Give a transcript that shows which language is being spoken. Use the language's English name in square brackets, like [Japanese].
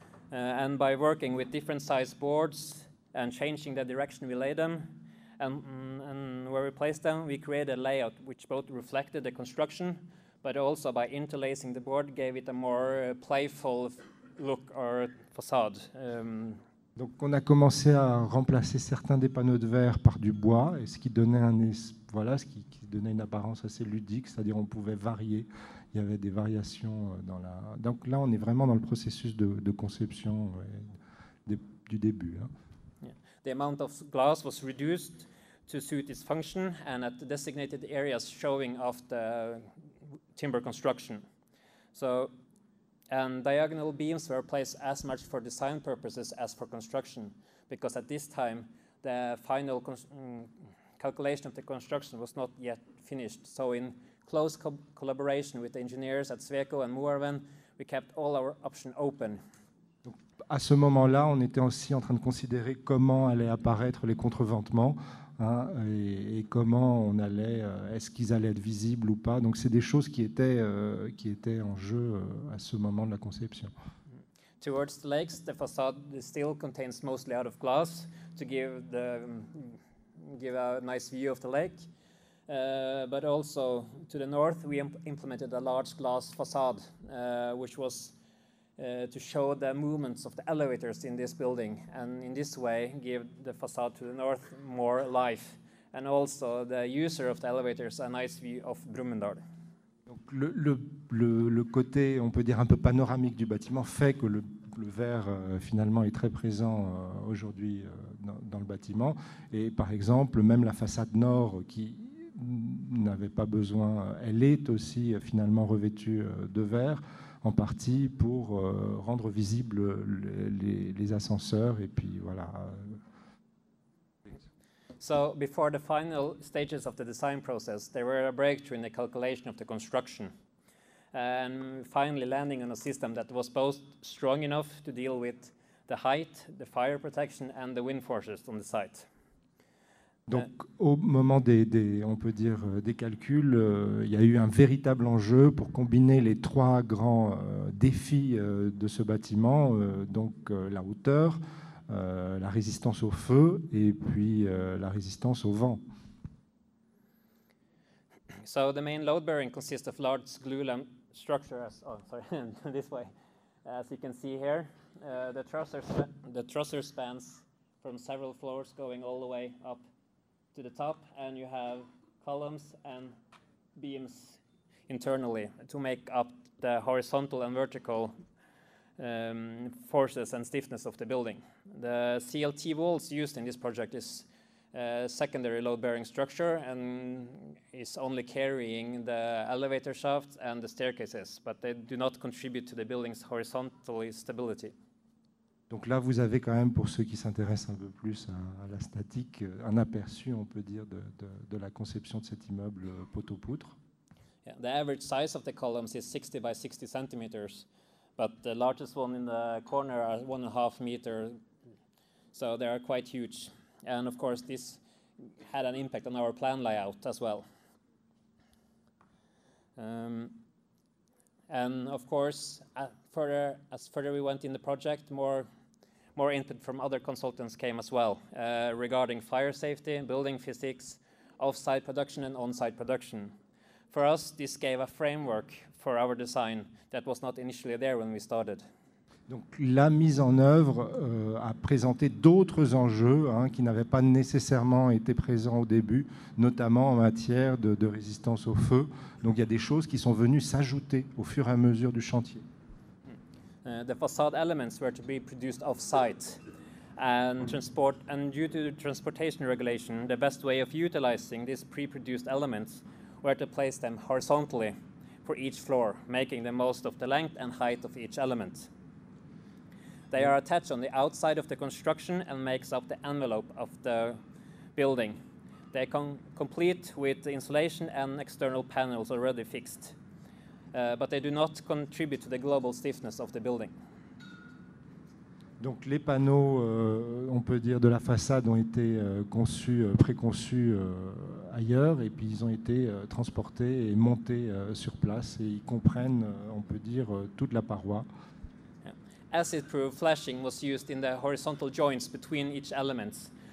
[English] And by working with different size boards and changing the direction we lay them and where we place them, we created a layout which both reflected the construction, but also by interlacing the board gave it a more playful look or facade. [French] Donc on a commencé à remplacer certains des panneaux de verre par du bois, et ce qui donnait une apparence assez ludique, c'est-à-dire on pouvait varier. Il y avait des variations dans la... Donc là, on est vraiment dans le processus de conception du début. Hein. Yeah. [English] The amount of glass was reduced to suit its function and at the designated areas showing off the timber construction. So, and diagonal beams were placed as much for design purposes as for construction, because at this time, the final calculation of the construction was not yet finished. So in close collaboration with the engineers at Sweco and Moerven, we kept all our options open. [French] Donc, à ce moment-là, on était aussi en train de considérer comment allaient apparaître les contreventements, hein, et comment on allait, est-ce qu'ils allaient être visibles ou pas. Donc c'est des choses qui étaient en jeu à ce moment de la conception. [English] Towards the lakes, the facade still contains mostly out of glass to give the give a nice view of the lake. But also to the north, we implemented a large glass facade, which was to show the movements of the elevators in this building, and in this way give the facade to the north more life, and also the user of the elevators a nice view of Brumunddal. [French] Donc le côté, on peut dire, un peu panoramique du bâtiment fait que le verre finalement est très présent aujourd'hui dans le bâtiment, et par exemple même la façade nord qui n'avait pas besoin, elle est aussi finalement revêtue de verre en partie pour rendre visibles les ascenseurs, et puis voilà. [English] So before the final stages of the design process, there were a breakthrough in the calculation of the construction and finally landing on a system that was both strong enough to deal with the height, the fire protection and the wind forces on the site. [French] Donc au moment des calculs, il y a eu un véritable enjeu pour combiner les trois grands défis de ce bâtiment, donc la hauteur, la résistance au feu et puis la résistance au vent. [English] load-bearing. So the main load-bearing consists of large glulam structures. this way. As you can see here, the trusser spans from several floors going all the way up to the top, and you have columns and beams internally to make up the horizontal and vertical forces and stiffness of the building. The CLT walls used in this project is a secondary load-bearing structure and is only carrying the elevator shafts and the staircases, but they do not contribute to the building's horizontal stability. [French] Donc là, vous avez quand même, pour ceux qui s'intéressent un peu plus à la statique, un aperçu, on peut dire, de la conception de cet immeuble poteau-poutre. [English] Yeah, the average size of the columns is 60 by 60 centimeters, but the largest one in the corner are 1.5 meters, so they are quite huge. And of course, this had an impact on our plan layout as well. And of course, further we went in the project, more input from other consultants came as well, regarding fire safety, building physics, off-site production, and on-site production. For us, this gave a framework for our design that was not initially there when we started. [French] Donc la mise en œuvre a présenté d'autres enjeux hein, qui n'avaient pas nécessairement été présents au début, notamment en matière de résistance au feu. Donc il y a des choses qui sont venues s'ajouter au fur et à mesure du chantier. [English] The facade elements were to be produced off-site and transport, and due to the transportation regulation, the best way of utilizing these pre-produced elements were to place them horizontally for each floor, making the most of the length and height of each element. They are attached on the outside of the construction and makes up the envelope of the building. They complete with insulation and external panels already fixed, but they do not contribute to the global stiffness of the building. [French] Donc les panneaux, on peut dire, de la façade ont été préconçus ailleurs et puis ils ont été transportés et montés sur place et ils comprennent, on peut dire, toute la paroi. [English] As it proved, flashing was used in the horizontal joints between each element.